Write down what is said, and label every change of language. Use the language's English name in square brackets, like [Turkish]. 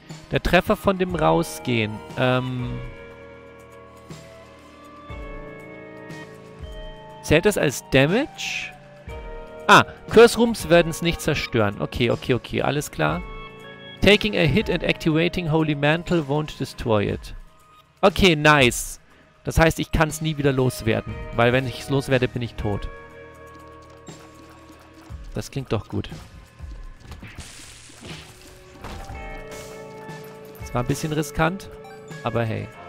[German] Der Treffer von dem Rausgehen, zählt das als Damage? Ah, Curse Rooms werden es nicht zerstören. Okay, okay, okay, alles klar. [English] Taking a hit and activating Holy Mantle won't destroy it. Okay, nice. [German] Das heißt, ich kann es nie wieder loswerden. Weil wenn ich es loswerde, bin ich tot. Das klingt doch gut. Das war ein bisschen riskant, aber hey.